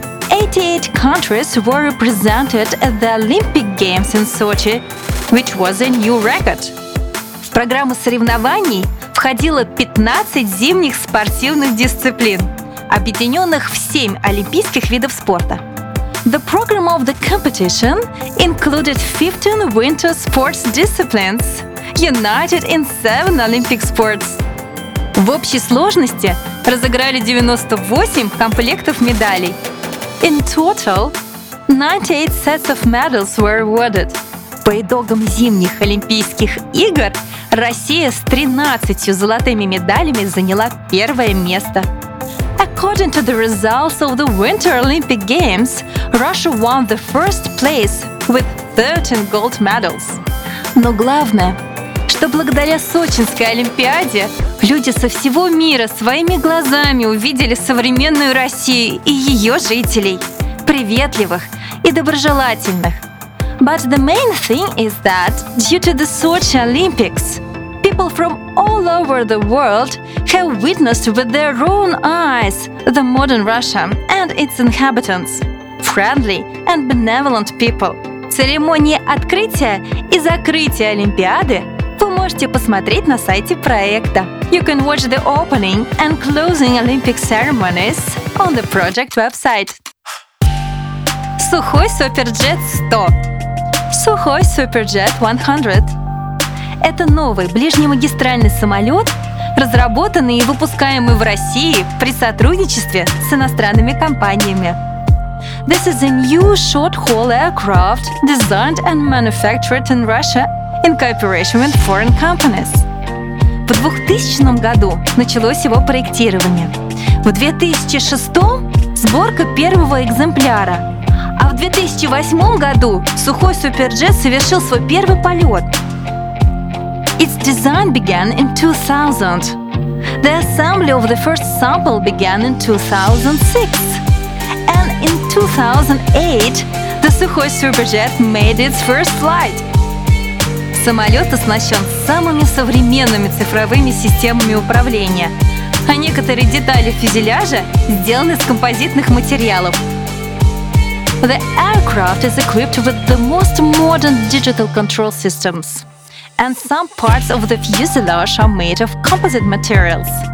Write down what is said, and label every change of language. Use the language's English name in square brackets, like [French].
[English] 88 countries were represented at the Olympic Games in Sochi, which was a new record. [Russian] В программу соревнований входило 15 зимних спортивных дисциплин, объединенных в 7 олимпийских видов спорта. [English] The program of the competition included 15 winter sports disciplines, united in 7 Olympic sports. [Russian] В общей сложности разыграли 98 комплектов медалей. [English] In total, 98 sets of medals were awarded. [Russian] По итогам зимних Олимпийских игр Россия с 13 золотыми медалями заняла первое место. [English] According to the results of the Winter Olympic Games, Russia won the first place with 13 gold medals. [Russian] Но главное, что благодаря Сочинской Олимпиаде люди со всего мира своими глазами увидели современную Россию и ее жителей, приветливых и доброжелательных. [English] But the main thing is that due to the Sochi Olympics, people from all over the world have witnessed with their own eyes the modern Russia and its inhabitants – friendly and benevolent people. [Russian] Церемонии открытия и закрытия Олимпиады вы можете посмотреть на сайте проекта. [English] You can watch the opening and closing Olympic ceremonies on the project website. [Russian] Сухой Суперджет 100. Сухой Суперджет 100. Это новый ближнемагистральный самолет, разработанный и выпускаемый в России при сотрудничестве с иностранными компаниями. [English] This is a new short-haul aircraft designed and manufactured in Russia in cooperation with foreign companies. [Russian] В 2000 году началось его проектирование. В 2006 – сборка первого экземпляра. А в 2008 году «Сухой Суперджет» совершил свой первый полет. [English] Its design began in 2000. The assembly of the first sample began in 2006. And in 2008 the Sukhoi Superjet made its first flight. [Russian] Самолет оснащен самыми современными цифровыми системами управления, а некоторые детали фюзеляжа сделаны из композитных материалов. [English] The aircraft is equipped with the most modern digital control systems. And some parts of the fuselage are made of composite materials.